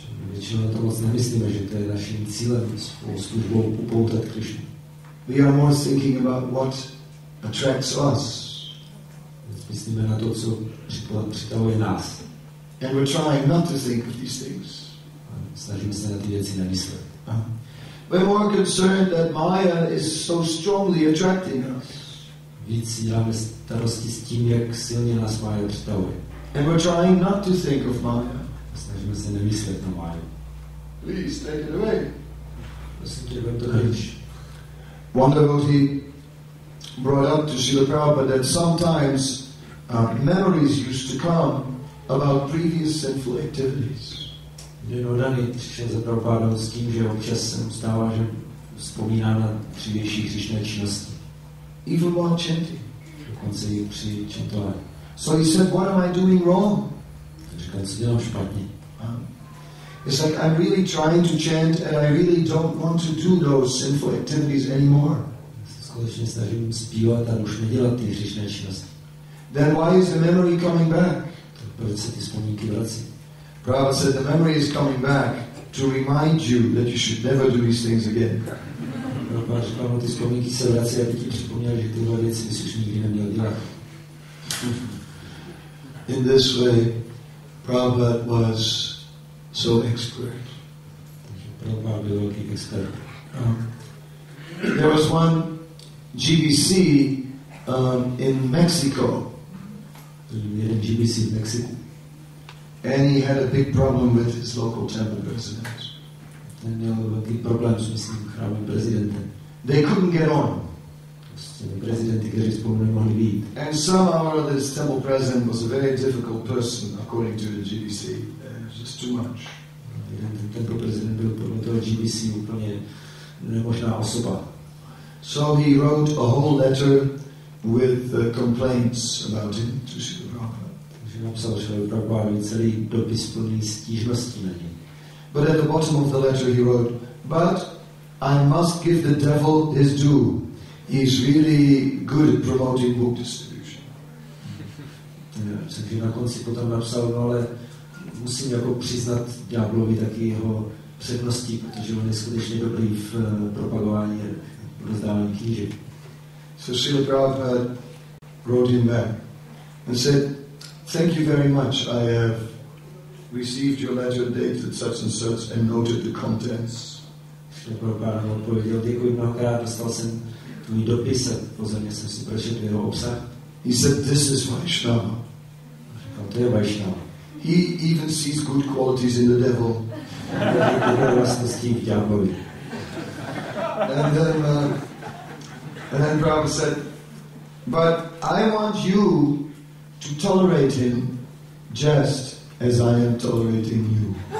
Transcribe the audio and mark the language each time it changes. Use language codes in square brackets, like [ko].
[cs] Většinou na to moc nemyslíme, že to je naším cílem svou službou upoutat Krishna. [en] We are more thinking about what attracts us. [cs] Myslíme na to, co přitahuje nás. [en] And we're trying not to think of these things. [cs] Snažím se na ty věci nemyslet. [en] We're more concerned that Maya is so strongly attracting us. [cs] Víc si děláme starosti s tím, jak silně nás Maya přitahuje. [en] And we're trying not to think of Maya. [cs] Snažíme se nemyslet na Maya. [en] Please take it away. [cs] Prosím tě, vem to nejvíc. [en] One devotee brought up to Srila Prabhupada that sometimes memories used to come about previous sinful activities. [cs] Jeden odaný přišel za Prabhupádou s tím, že občas se mu stává, že vzpomíná na dřívější hříšné činnosti. [en] Even while chanting. [cs] Dokonce i při chantování. [en] So he said, what am I doing wrong? [cs] Tak říkal, co dělám špatně. [en] It's like I'm really trying to chant and I really don't want to do those sinful activities anymore. [cs] Skutečně snažím zpívat a už nedělat ty hříšné činnosti. [en] Then why is the memory coming back? [cs] Tak proč se ty vzpomínky vrací? [en] Prabhupada said, the memory is coming back to remind you that you should never do these things again. [cs] Prabhupada říkal, no ty vzpomínky se vrací, aby ti připomněli, že tyhle věci bys už nikdy neměl dělat. [en] In this way, Prabhupada was so expert. [cs] Prabhupada byl velký expert. [en] There was one GBC in Mexico. GBC in Mexico. And he had a big problem with his local temple president. [cs] Ten měl velký problém s místním chrámem prezidenta. [en] They couldn't get on. [cs] Prezidenti, kteří spolu nemohli být. [en] And somehow or other, this temple president was a very difficult person, according to the GBC. Just too much. [cs] Ten temple prezident byl podle toho GBC úplně nemožná osoba. [en] So he wrote a whole letter with complaints about him to Srila Prabhupada. [cs] Takže napsal Srila Prabhupada celý dopis plný stížností na něj. [en] But at the bottom of the letter he wrote, but I must give the devil his due. He's really good at promoting book distribution. [cs] Takže na konci potom napsal, no ale musím jako přiznat ďáblovi taky jeho předností, protože on je skutečně dobrý v propagování a rozdávání knížek. [en] So Srila Prabhupada wrote him back and said, thank you very much, I have received your letter dated such and such and noted the contents. [cs] Srila Prabhupada mu odpověděl, děkuji mnohokrát, dostal jsem tvůj dopis a pozorně jsem si prečetl jeho obsah. [en] He said, this is Vaishnava. [cs] Říkal, to je Vaishnava. [en] He even sees good qualities in the devil. And then Prabhupada said, but I want you to tolerate him just as I am tolerating you.